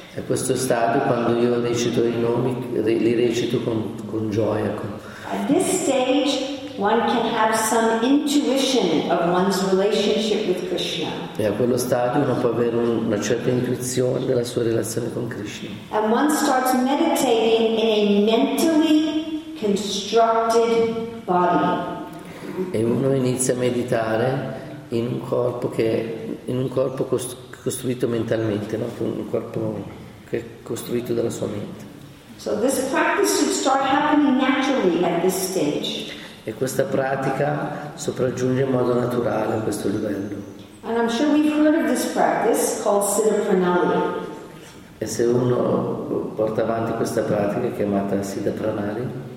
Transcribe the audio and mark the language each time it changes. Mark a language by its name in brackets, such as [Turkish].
[Italian] A questo stadio, quando io recito i nomi, li recito con gioia. [English] At this stage, one can have some intuition of one's relationship with Krishna. [Italian] E a quello stadio uno può avere una certa intuizione della sua relazione con Krishna. [English] And one starts meditating in a mentally constructed body. [Italian] E uno inizia a meditare in un corpo costruito mentalmente, no? Un corpo che è costruito dalla sua mente. [English] So this practice should start happening naturally at this stage. [Italian] E questa pratica sopraggiunge in modo naturale a questo livello. [English] And I'm sure we've heard of this practice called Siddha Pranali. [Italian] E se uno porta avanti questa pratica chiamata Siddha Pranali.